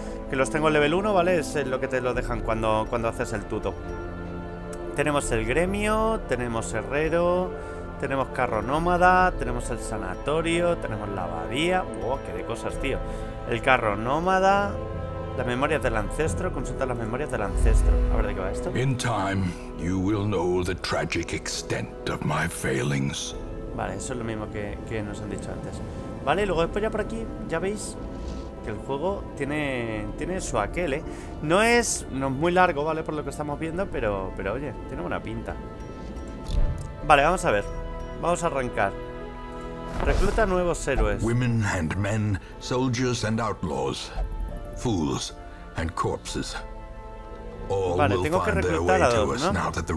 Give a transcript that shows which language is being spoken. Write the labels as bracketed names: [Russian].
[Spanish] Que los tengo en level 1, ¿vale? Es lo que te lo dejan cuando haces el tuto. Tenemos el gremio, tenemos herrero, tenemos carro nómada, tenemos el sanatorio, tenemos la abadía. ¡Wow! ¡Qué de cosas, tío! El carro nómada, las memorias del ancestro. Consulta las memorias del ancestro. A ver de qué va esto. In time. [English] You will know the tragic extent of my failings. [Spanish] Vale, eso es lo mismo que nos han dicho antes. Vale, luego después ya por aquí, ya veis que el juego tiene su aquel, ¿eh? No es muy largo, ¿vale? Por lo que estamos viendo, pero oye, tiene buena pinta. Vale, vamos a ver. Vamos a arrancar. Recluta nuevos héroes. [English] Women and men, soldiers and outlaws, fools and corpses. [Spanish] Vale, tengo que reclutar a dos, ¿no?